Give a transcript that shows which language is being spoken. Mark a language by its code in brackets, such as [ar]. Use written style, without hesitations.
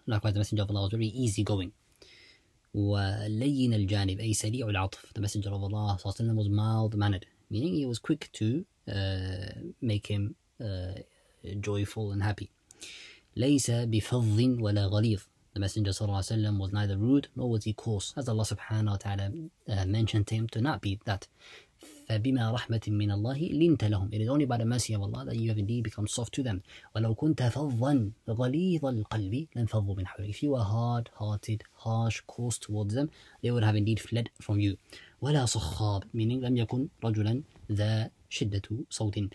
[en] Likewise, the Messenger of Allah was very easy going. [ar] ولين الجانب أي سريع العطف. [en] The Messenger of Allah صلى الله عليه وسلم was mild mannered, meaning he was quick to make him joyful and happy. [ar] ليس بفظ ولا غليظ. [en] The Messenger صلى الله عليه وسلم was neither rude nor was he coarse, as Allah سبحانه وتعالى mentioned him to not be that. [ar] فبما رحمة من الله لنت لهم. [en] It is only by the mercy of Allah that you have indeed become soft to them. [ar] ولو كنت فظا غليظ القلب لانفضوا من حولك. [en] If you were hard-hearted, harsh, coarse towards them, they would have indeed fled from you. [ar] ولا صخاب, meaning لم يكن رجلا ذا شدة صوت.